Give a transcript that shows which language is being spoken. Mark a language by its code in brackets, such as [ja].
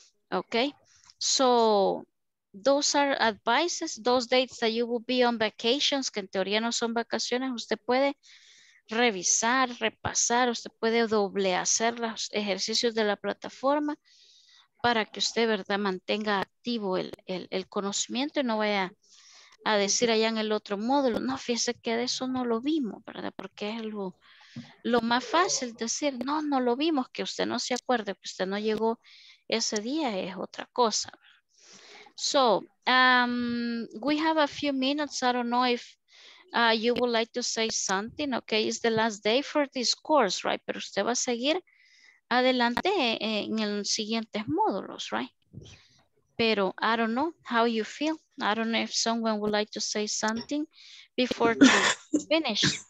[es] Ok. [en] So, those are advices, those dates that you will be on vacations, [es] que en teoría no son vacaciones, usted puede revisar, repasar, usted puede doble hacer los ejercicios de la plataforma para que usted, ¿verdad?, mantenga activo el conocimiento y no vaya a decir allá en el otro módulo, no, fíjese que de eso no lo vimos, ¿verdad? Porque es lo más fácil decir, no lo vimos, que usted no se acuerde, que usted no llegó ese día, es otra cosa. [en] So, we have a few minutes, I don't know if you would like to say something, okay, it's the last day for this course, right? [es] Pero usted va a seguir adelante en los siguientes módulos, right? [en] Pero I don't know how you feel. I don't know if someone would like to say something before to finish.